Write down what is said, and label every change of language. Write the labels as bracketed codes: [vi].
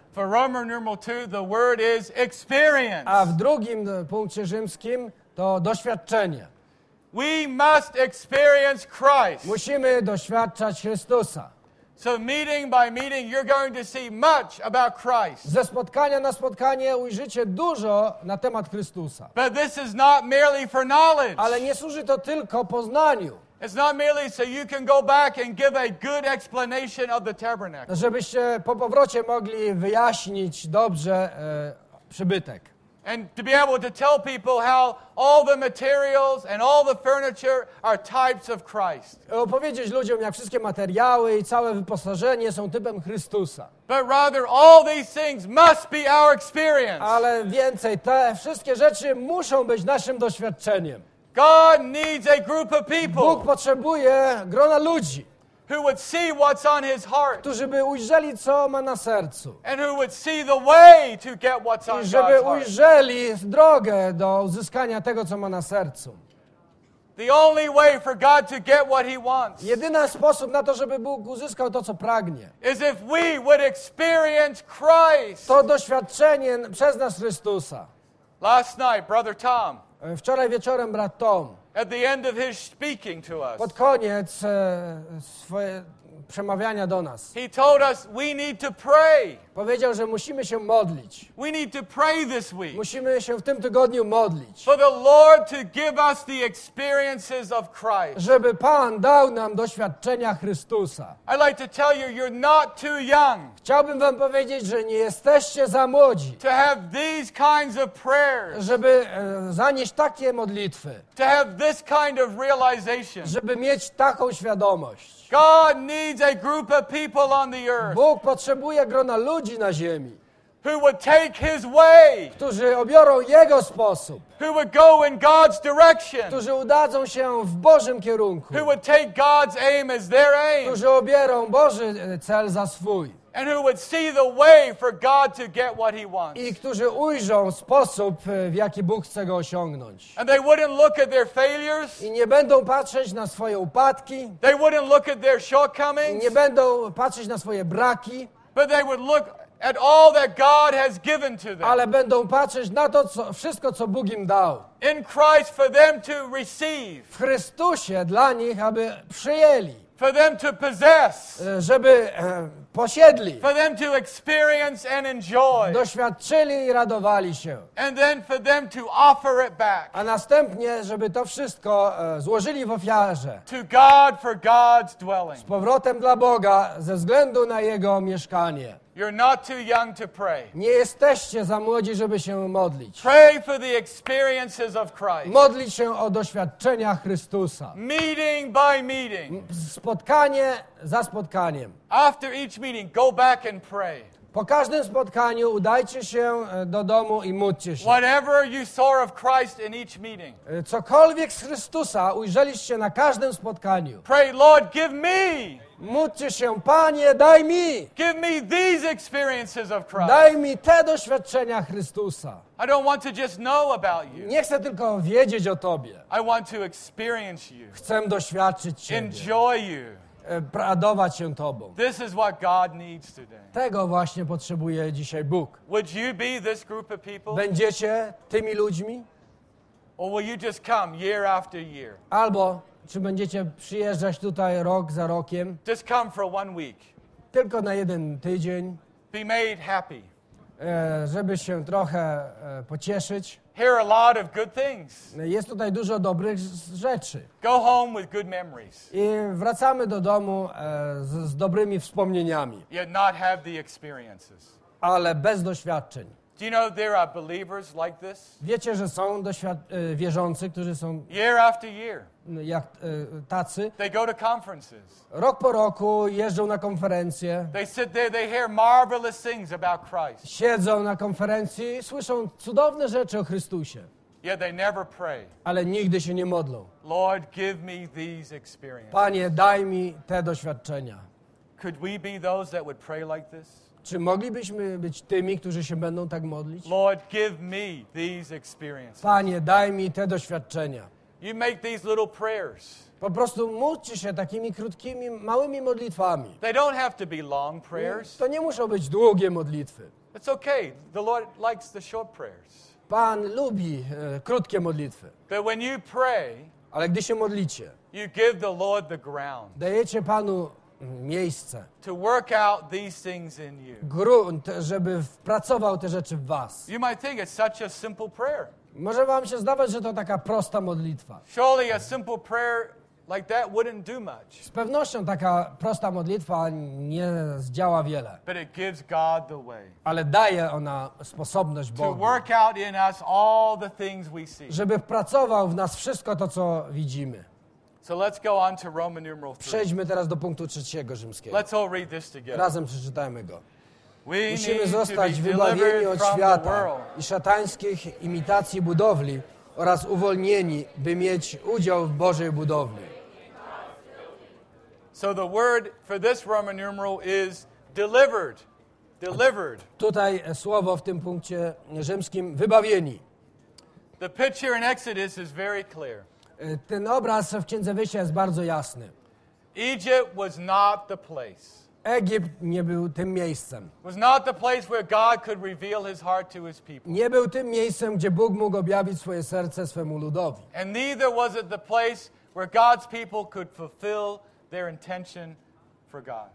[en] For Roman numeral 2, the word is experience. [pl] A w drugim punkcie rzymskim to doświadczenie. [en] We must experience Christ. [pl] Musimy doświadczać Chrystusa. [en] So meeting by meeting, you're going to see much about Christ. [pl] Ze spotkania na spotkanie ujrzycie dużo na temat Chrystusa. [en] But this is not merely for knowledge. [pl] Ale nie służy to tylko poznaniu. [en] It's not merely so you can go back and give a good explanation of the tabernacle. [pl] Żebyście po powrocie mogli wyjaśnić dobrze przybytek. [en] And to be able to tell people how all the materials and all the furniture are types of Christ. [pl] Opowiedzieć ludziom, jak wszystkie materiały i całe wyposażenie są typem Chrystusa. [en] But rather all these things must be our experience. [pl] Ale więcej, te wszystkie rzeczy muszą być naszym doświadczeniem. [en] God needs a group of people. [pl] Bóg potrzebuje grona ludzi. [en] Who would see what's on his heart? [pl] Którzy by ujrzeli, co ma na sercu. [en] And who would see the way to get what's on God's heart? [pl] I żeby ujrzeli drogę do uzyskania tego, co ma na sercu. [en] The only way for God to get what he wants. [pl] Jedyny sposób na to, żeby Bóg uzyskał to, co pragnie. [en] Is if we would experience Christ. [pl] To doświadczenie przez nas Chrystusa. [en] Last night, brother Tom. [pl] Wczoraj wieczorem brat Tom. [en] At the end of his speaking to us. [pl] Pod koniec swoje przemawiania do nas. [en] He told us we need to pray. [pl] Powiedział, że musimy się modlić. [en] We need to pray this week. [pl] Musimy się w tym tygodniu modlić. [en] For the Lord to give us the experiences of Christ. [pl] Żeby Pan dał nam doświadczenia Chrystusa. [en] I'd like to tell you, you're not too young. [pl] Chciałbym wam powiedzieć, że nie jesteście za młodzi. [en] To have these kinds of prayers. [pl] Żeby zanieść takie modlitwy. [en] To have this kind of realization. [pl] Żeby mieć taką świadomość. [en] God needs a group of people on the earth. [pl] Bóg potrzebuje grona ludzi na ziemi. [en] Who would take his way. [pl] Którzy obiorą jego sposób. [en] Who would go in God's direction. [pl] Którzy udadzą się w Bożym kierunku. [en] Who would take God's aim as their aim. [pl] Którzy obierą Boży cel za swój. [en] And who would see the way for God to get what he wants. [pl] I którzy ujrzą sposób, w jaki Bóg chce go osiągnąć. [en] And they wouldn't look at their failures. [pl] I nie będą patrzeć na swoje upadki. [en] They wouldn't look at their shortcomings. [pl] I nie będą patrzeć na swoje braki. [en] But they would look at all that God has given to them. [pl] Ale będą patrzeć na to, co, wszystko, co Bóg im dał. [en] In Christ for them to receive. [pl] W Chrystusie dla nich, aby przyjęli. [en] For them to possess. [pl] Żeby posiedli. [en] For them to experience and enjoy. [pl] Doświadczyli i radowali się. [en] And then for them to offer it back. [pl] A następnie, żeby to wszystko złożyli w ofiarze. [en] To God for God's dwelling. [pl] Z powrotem dla Boga, ze względu na Jego mieszkanie. [en] You're not too young to pray. [pl] Nie jesteście za młodzi, żeby się modlić. [en] Pray for the experiences of Christ. [pl] Modlić się o doświadczenia Chrystusa. [en] Meeting by meeting. [pl] Spotkanie za spotkaniem. [en] After each meeting, go back and pray. [pl] Po każdym spotkaniu udajcie się do domu i módlcie się. [en] Whatever you saw of Christ in each meeting. [pl] Cokolwiek z Chrystusa ujrzeliście na każdym spotkaniu. [en] Pray, Lord, give me. [pl] Módlcie się, Panie, daj mi. [en] Give me these experiences of Christ. [pl] Daj mi te doświadczenia Chrystusa. [en] I don't want to just know about you. [pl] Nie chcę tylko wiedzieć o Tobie. [en] I want to experience you. [pl] Chcę doświadczyć Ciebie. [en] Enjoy you. [pl] Radować się Tobą. [en] This is what God needs today. [pl] Tego właśnie potrzebuje dzisiaj Bóg. [en] Would you be this group of people? [pl] Będziecie tymi ludźmi? [en] Or will you just come year after year? [pl] Albo czy będziecie przyjeżdżać tutaj rok za rokiem? [en] Just come for one week. [pl] Tylko na jeden tydzień. [en] Be made happy. [pl] Żeby się trochę pocieszyć. [en] hear a lot of good things. [pl] Jest tutaj dużo dobrych rzeczy. [en] Go home with good memories. [pl] I wracamy do domu z dobrymi wspomnieniami. [en] Yet not have the experiences. [pl] Ale bez doświadczeń. [en] Do you know there are believers like this? [pl] Wiecie, że są wierzący, którzy są [en] year after year. [pl] Jak tacy. [en] They go to conferences. [pl] Rok po roku jeżdżą na konferencje. [en] They sit there, they hear marvelous things about Christ. [pl] Siedzą na konferencji i słyszą cudowne rzeczy o Chrystusie. [en] Yet they never pray. [pl] Ale nigdy się nie modlą. [en] Lord, give me these experiences. [pl] Panie, daj mi te doświadczenia. [en] Could we be those that would pray like this? [pl] Czy moglibyśmy być tymi, którzy się będą tak modlić? [en] Lord, give me these experiences. [pl] Panie, daj mi te doświadczenia. [en] You make these little prayers. [pl] Po prostu módlcie się takimi krótkimi, małymi modlitwami. [en] They don't have to be long prayers. [pl] To nie muszą być długie modlitwy. [en] It's okay. The Lord likes the short prayers. [pl] Pan lubi krótkie modlitwy. [en] But when you pray, [pl] ale gdy się modlicie, [en] you give the Lord the ground. [pl] Dajecie Panu miejsce. [en] To work out these things in you. [pl] Grunt, żeby wpracował te rzeczy w was. [en] You might think it's such a simple prayer. [pl] Może wam się zdawać, że to taka prosta modlitwa. [en] Surely a simple prayer like that wouldn't do much. [pl] Z pewnością taka prosta modlitwa nie zdziała wiele. [en] But it gives God the way. [pl] Ale daje ona sposobność Bogu. [en] To work out in us all the things we see. [pl] Żeby wpracował w nas wszystko to, co widzimy. [en] So let's go on to Roman numeral 3. [pl] Przejdźmy teraz do punktu trzeciego rzymskiego. [en] Let's all read this together. [pl] Razem przeczytajmy go. We musimy zostać wybawieni od świata i szatańskich imitacji budowli oraz uwolnieni, by mieć udział w Bożej budowli. [en] So the word for this Roman numeral is delivered. Delivered. [pl] Tutaj słowo w tym punkcie rzymskim wybawieni. [en] The picture in Exodus is very clear. [pl] Ten obraz w Księdze Wyjścia jest bardzo jasny. [en] Egypt was not the place. [pl] Egipt nie był tym miejscem. [en] Was not the place where God could reveal his heart to his people. [pl] Nie był tym miejscem, gdzie Bóg mógł objawić swoje serce swemu ludowi. [en] And neither was it the place where God's people could fulfill their intention for God.